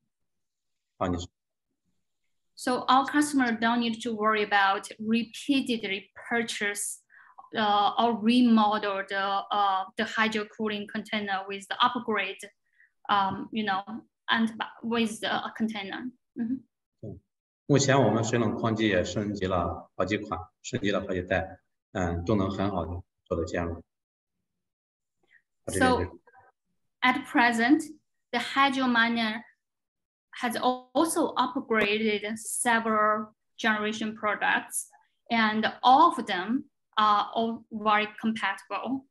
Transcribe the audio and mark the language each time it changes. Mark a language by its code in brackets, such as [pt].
[zh] 需要重复购买或者改造智能集装箱这些问题，到目前，你说。 [en] So our customers don't need to worry about repeatedly purchase or remodel the hydro cooling container with the upgrade, you know, and with the container. Mm-hmm. [zh] 目前我们水冷矿机也升级了好几款，升级了好几代。 [en] So at present, the hydro miner has also upgraded several generation products, and all of them are all very compatible.